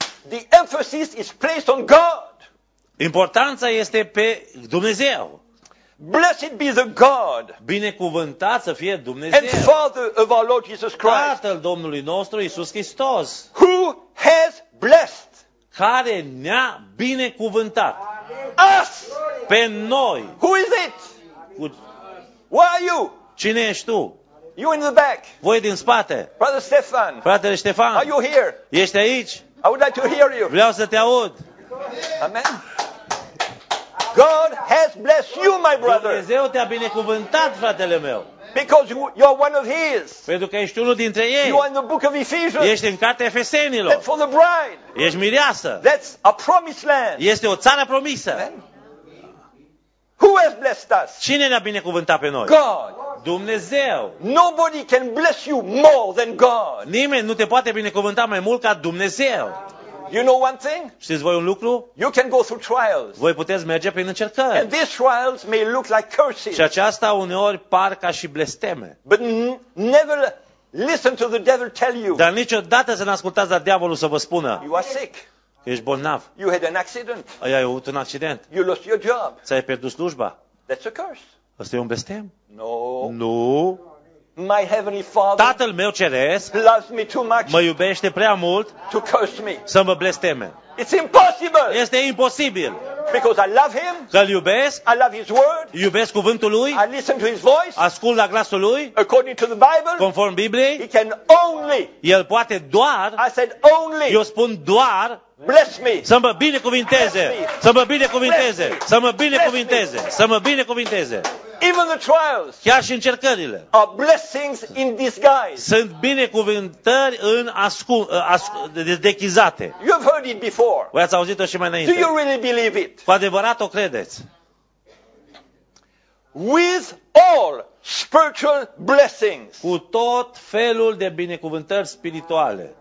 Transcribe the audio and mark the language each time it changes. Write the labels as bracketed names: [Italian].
[English] The emphasis is placed on God. [Romanian] Importanța este pe Dumnezeu. [English] Blessed be the God. [Romanian] Binecuvântat să fie Dumnezeu. [English] And Father of our Lord Jesus Christ. [Romanian] Tatăl Domnului nostru Iisus Hristos. [English] Who has blessed? [Romanian] Care ne-a binecuvântat? [English] Us. [Romanian] Pe noi. [English] Who is it? Where are you? [Romanian] Cine ești tu? [English] You in the back. [Romanian] Voi din spate. [English] Brother Stefan. [Romanian] Fratele Ștefan. [English] Are you here? [Romanian] Ești aici? [English] I would like to hear you. [Romanian] Vreau să te aud. [English] Amen. God has blessed you, my brother. [Romanian] Dumnezeu te-a binecuvântat, fratele meu. [English] Because you are one of his. [Romanian] Pentru că ești unul dintre ei. [English] You are in the book of Ephesians. [Romanian] Ești în cartea Efesenilor. [English] That's for the bride. [Romanian] Ești mireasă. [English] That's a promised land. [Romanian] Este o țară promisă. [English] Who has blessed us? [Romanian] Cine ne-a binecuvântat pe noi? [English] God. [Romanian] Dumnezeu. [English] Nobody can bless you more than God. [Romanian] Nimeni nu te poate binecuvânta mai mult ca Dumnezeu. [English] You know one thing? [Romanian] Știți voi un lucru? [English] You can go through trials. [Romanian] Voi puteți merge prin încercări. [English] And these trials may look like curses. [Romanian] Și aceasta uneori par ca și blesteme. [English] But never listen to the devil tell you. [Romanian] Dar niciodată să n-ascultați la diavolul să vă spună. [English] You are sick. [Romanian] Ești bolnav. [English] You had an accident. [Romanian] Ai avut un accident. [English] You lost your job. [Romanian] Ți-ai pierdut slujba. [English] That's a curse. [Romanian] Asta e un blestem? [English] No. [Romanian] Nu. [English] My heavenly Father. [Romanian] Tatăl meu ceresc. [English] Loves me too much. [Romanian] Mă iubește prea mult. [English] To curse me. [Romanian] Să mă blesteme. [English] It's impossible. [Romanian] Este imposibil. [English] Because I love him. [Romanian] Că-l iubesc. [English] I love his word. [Romanian] Iubesc cuvântul lui. [English] I listen to his voice. [Romanian] Ascult la glasul lui. [English] According to the Bible. [Romanian] Conform Bibliei. [English] He can only. [Romanian] El poate doar. [English] I said only. [Romanian] Eu spun doar. [English] Bless me. [Romanian] Să mă binecuvinteze. Să mă binecuvinteze. Să mă binecuvinteze. Să mă binecuvinteze. [English] Even the trials. [Romanian] Chiar și încercările. [English] Are blessings in disguise. [Romanian] Sunt binecuvântări în dechizate. [English] You've heard it before. [Romanian] Voi ați auzit-o și mai înainte. [English] Do you really believe it? [Romanian] Cu adevărat o credeți? [English] With all spiritual blessings. [Romanian] Cu tot felul de binecuvântări spirituale.